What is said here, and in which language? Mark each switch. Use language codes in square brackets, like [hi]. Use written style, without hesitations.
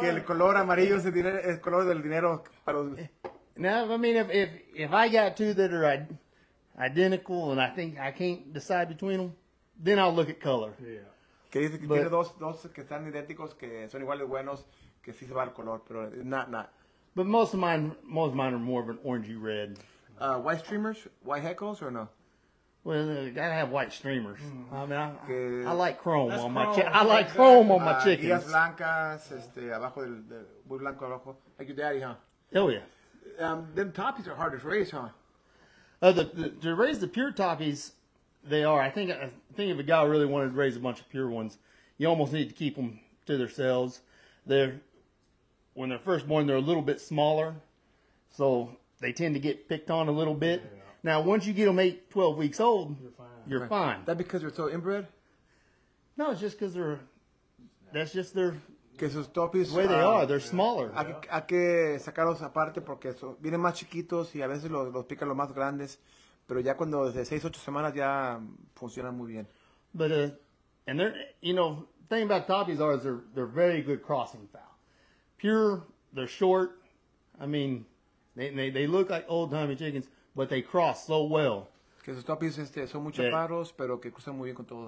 [es] Que el color amarillo es el color del dinero para los. [en] No, I mean, if I got two that are identical and I think I can't decide between them, then I'll look at color. Yeah. [es] Que dice que tiene dos que están idénticos, que son iguales buenos, que sí se va el color, pero not. [en] But most of mine are more of an orangey red. White streamers, white heckles, or no? Well, I gotta have white streamers. Mm-hmm. I mean, I like chrome. That's on my chicken. I like chrome on my chickens. [es] Guías blancas, abajo del muy blanco abajo. [en] Like your daddy, huh? Oh yeah. Them toppies are hard to raise, huh? To raise the pure toppies, they are. I think if a guy really wanted to raise a bunch of pure ones, you almost need to keep them to themselves. They're, when they're first born, they're a little bit smaller, so they tend to get picked on a little bit. Yeah. Now, once you get them 8, 12 weeks old, you're fine. That because they're so inbred? No, it's just because they're, that's just their, [es] que sus toppies, [en] the way they are. They're smaller. [es] Hay que sacarlos aparte porque eso, vienen más chiquitos y a veces los pican los más grandes, pero ya cuando desde 6-8 semanas ya funcionan muy bien. [en] But, and they're, you know, thing about toppies are they're very good crossing fowl. Pure, they're short. I mean, they look like old-timey chickens, but they cross so well. [es] Que sus toppies son muy chaparros, pero que cruzan muy bien con todo.